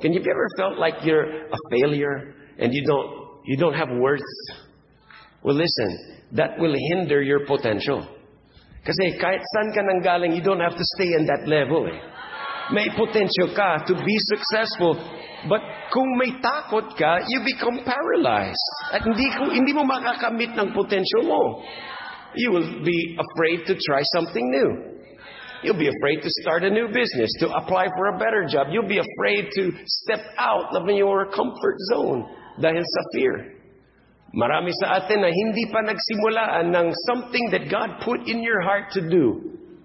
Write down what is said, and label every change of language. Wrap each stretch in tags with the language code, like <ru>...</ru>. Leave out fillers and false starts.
<en>Can you ever felt like you're a failure and you don't have worth? Well, listen, that will hinder your potential.</en> <tl>Kasi kahit saan ka nang galing,</tl> <en>you don't have to stay in that level.</en> <tl>May potential ka</tl> <en>to be successful. But</en> <tl>kung may takot ka,</tl> <en>you become paralyzed.</en> <tl>At hindi mo makakamit ng potential mo.</tl> <en>You will be afraid to try something new. You'll be afraid to start a new business, to apply for a better job. You'll be afraid to step out of your comfort zone</en> <tl>dahil sa fear. Marami sa atin na hindi pa nagsimulaan ng</tl> <en>something that God put in your heart to do.</en>